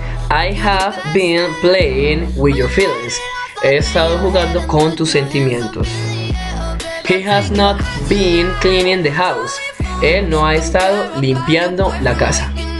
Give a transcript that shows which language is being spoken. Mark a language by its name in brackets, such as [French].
[English] I have been playing with your feelings. [Spanish] He estado jugando con tus sentimientos. [English] He has not been cleaning the house. [Spanish] Él no ha estado limpiando la casa.